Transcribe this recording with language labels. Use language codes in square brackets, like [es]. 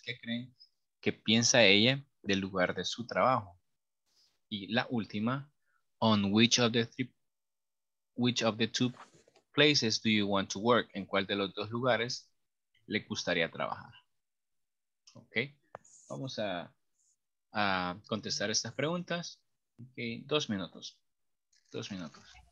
[es] ¿Qué creen que piensa ella del lugar de su trabajo? Y la última. [en] On which of the two places do you want to work? [es] ¿En cuál de los dos lugares le gustaría trabajar? Ok. Vamos a contestar estas preguntas. Ok. Dos minutos. Dos minutos.